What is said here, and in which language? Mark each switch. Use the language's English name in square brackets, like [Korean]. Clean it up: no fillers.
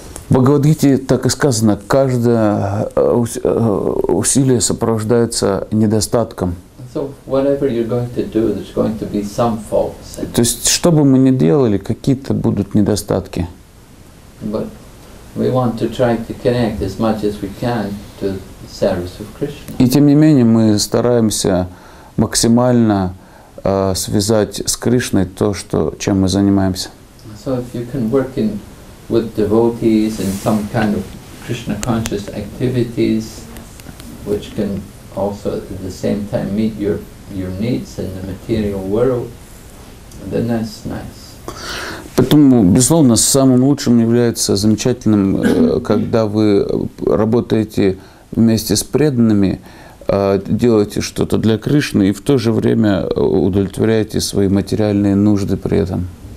[Russian] В Бхагавад-гите так и сказано, каждое усилие сопровождается недостатком. [English] So whatever you're going to do, there's going to be some faults. [Russian] То есть, что бы мы ни делали, какие-то будут недостатки. [English] But we want to try to connect as much as we can to the service of Krishna. [Russian] И тем не менее, мы стараемся максимально связать с Кришной то, что, чем мы занимаемся. [English] So if you can work in with devotees in some kind of Krishna conscious activities, which can also at the same time meet your needs in the material world, then that's nice. [Russian] Поэтому, безусловно, самым лучшим является замечательным, когда вы работаете вместе с преданными, делаете что-то для Кришны и в то же время удовлетворяете свои материальные нужды при этом.